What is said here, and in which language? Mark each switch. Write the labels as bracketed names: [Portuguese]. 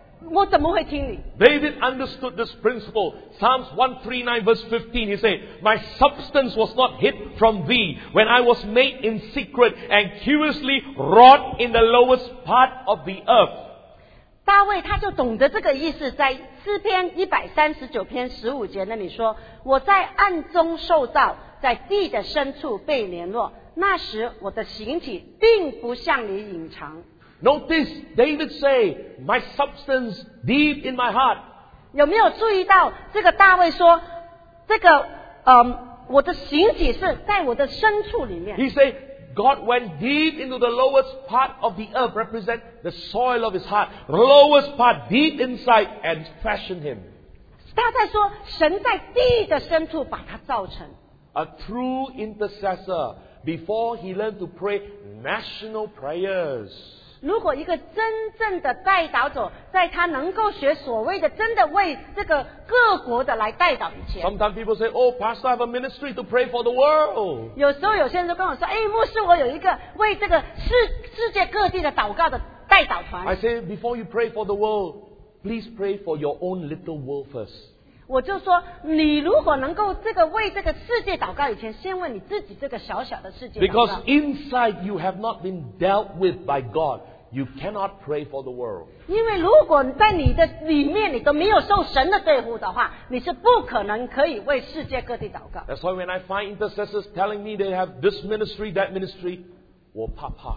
[Chinese] 我怎么会听你 [English] David understood this principle Psalms 139 verse 15 He said My substance was not hid from thee When I was made in secret And curiously wrought in the lowest part of the earth [Chinese] 大卫他就懂得这个意思在诗篇139篇15节那里说我在暗中受造在地的深处被联络那时我的形体并不向你隐藏 [English] Notice David say My substance deep in my heart. [Chinese] 有没有注意到这个大卫说，这个我的形体是在我的深处里面。 [English] He said, God went deep into the lowest part of the earth, represent the soil of his heart, lowest part deep inside and fashioned him. [Chinese] 他在说，神在地的深处把他造成。 [English] A true intercessor, before he learned to pray national prayers. [Chinese] 如果一个真正的代祷者在他能够学所谓的真的为这个各国的来代祷以前 [English] Sometimes people say Oh, Pastor, I have a ministry to pray for the world [Chinese] 有时候有些人都跟我说牧师我有一个为这个 世界各地的祷告的代祷团 [English] I say, before you pray for the world Please pray for your own little world first [Chinese] 我就说你如果能够这个为这个世界祷告以前先为你自己这个小小的世界祷告 [English] Because inside you have not been dealt with by God you cannot pray for the world. [Chinese] 因为如果在你的里面你都没有受神的庇护的话，你是不可能可以为世界各地祷告。 [English] That's why when I find intercessors telling me they have this ministry, that ministry, [Chinese] 我怕。